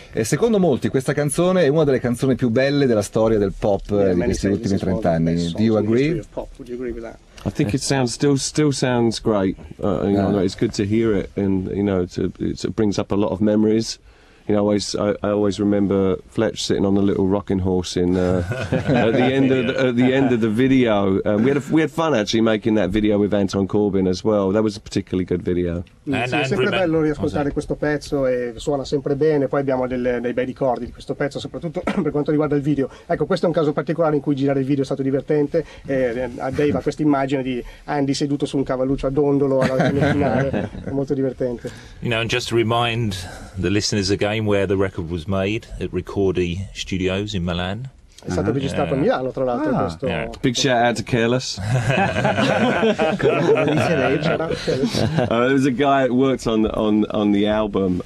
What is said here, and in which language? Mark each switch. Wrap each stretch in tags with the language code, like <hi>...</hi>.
<it>E secondo molti questa canzone è una delle canzoni più belle della storia del pop di questi ultimi 30 anni.</it> <en>Do you agree? I think it sounds still sounds great. It's good to hear it, and you know, it brings up a lot of memories. You know, I always remember Fletch sitting on the little rocking horse in at the end of the video. We had fun actually making that video with Anton Corbin as well. That was a particularly good video.</en> <it>È sempre bello riascoltare questo pezzo e suona sempre bene. Poi abbiamo dei bei ricordi di questo pezzo, soprattutto per quanto riguarda il video. Ecco, questo è un caso particolare in cui girare il video è stato divertente. Dave ha questa immagine di Andy seduto su un cavalluccio a dondolo alla finale, molto divertente.</it> <en>You know, and just to remind the listeners again where the record was made, at Ricordi Studios in Milan.</en> <it>È stato registrato a Milano, tra l'altro.</it> <en>Big shout out to Careless. There was a guy that worked on the album.</en>